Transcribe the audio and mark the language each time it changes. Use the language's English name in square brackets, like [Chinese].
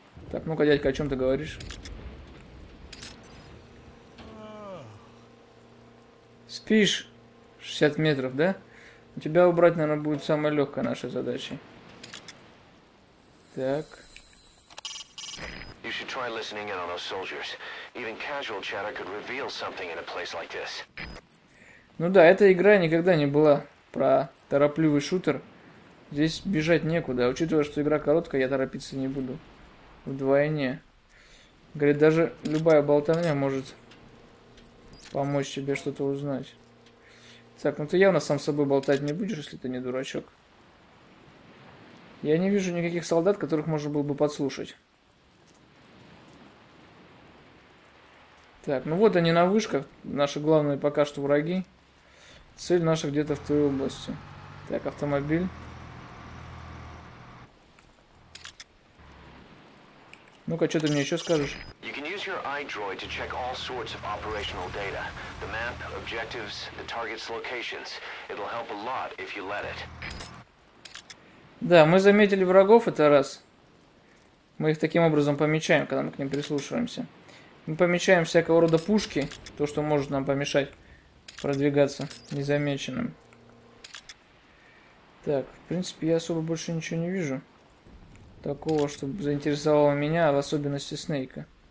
[Russian] Так, ну-ка, дядька, о чем ты говоришь? Фиш, 60 метров, да? Тебя убрать, наверное, будет самая легкая наша задача. Так. [English] You should try listening in on those soldiers. Even casual chatter could reveal something in a place like this. [Russian] Ну да, эта игра никогда не была про торопливый шутер. Здесь бежать некуда. Учитывая, что игра короткая, я торопиться не буду. Вдвойне. Говорит, даже любая болтовня может помочь тебе что-то узнать. Так, ну ты явно сам с собой болтать не будешь, если ты не дурачок. Я не вижу никаких солдат, которых можно было бы подслушать. Так, ну вот они на вышках. Наши главные пока что враги. Цель наша где-то в той области. Так, автомобиль. Ну-ка, что ты мне еще скажешь? [English] You can use your iDroid to check all sorts of operational data. The map, objectives, the target's locations. It'll help a lot if you let it. [Russian] Да, мы заметили врагов, это раз. Мы их таким образом помечаем, когда мы к ним прислушиваемся. Мы помечаем всякого рода пушки, то, что может нам помешать продвигаться незамеченным. Так, в принципе, я особо больше ничего не вижу. Такого, что заинтересовало меня, в особенности Снейка.